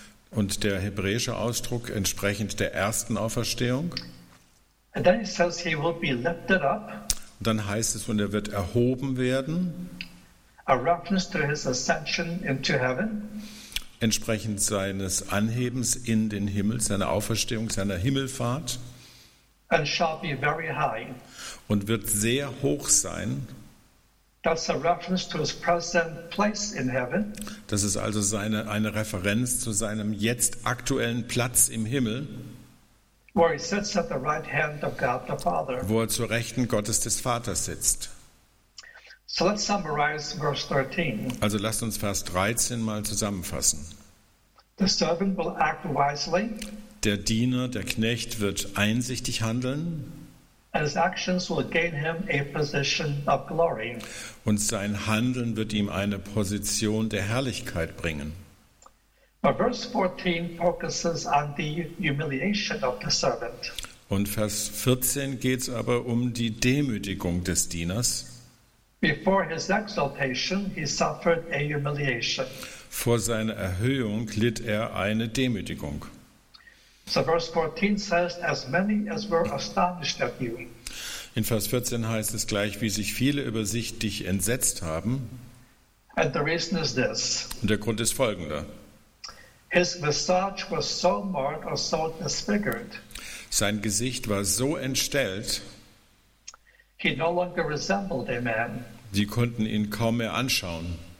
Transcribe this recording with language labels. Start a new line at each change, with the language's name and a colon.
German: Und der hebräische Ausdruck entsprechend der ersten Auferstehung.
English: And then he says he will be lifted up.
German: Und dann heißt es, und er wird erhoben werden.
English: A reference to his ascension into heaven.
German: Entsprechend seines Anhebens in den Himmel, seiner Auferstehung, seiner Himmelfahrt.
English: And shall be very high.
German: Und wird sehr hoch sein.
English: That's a reference to his present place in heaven.
German: Das ist also eine Referenz zu seinem jetzt aktuellen Platz im Himmel,
English: where he sits at the right hand of God the Father.
German: Wo er zur Rechten Gottes des Vaters sitzt.
English: So let's summarize verse 13.
German: Also lasst uns Vers 13 mal zusammenfassen.
English: The servant will act wisely.
German: Der Diener, der Knecht wird einsichtig handeln.
English: His actions will gain him a position of glory.
German: Und sein Handeln wird ihm eine Position der Herrlichkeit bringen.
English: But verse 14 focuses on the humiliation of the servant.
German: Und Vers 14 geht es aber um die Demütigung des Dieners.
English: Before his exaltation, he suffered a humiliation.
German: Vor seiner Erhöhung litt er eine Demütigung.
English: So verse 14 says, as many as were astonished at you.
German: In Vers 14 heißt es gleich, wie sich viele über sich dich entsetzt haben.
English: And the reason is this.
German: Und der Grund ist folgender.
English: His visage was so marred or so disfigured.
German: Sein Gesicht war so entstellt.
English: He no longer resembled a man.
German: Sie konnten ihn kaum mehr anschauen.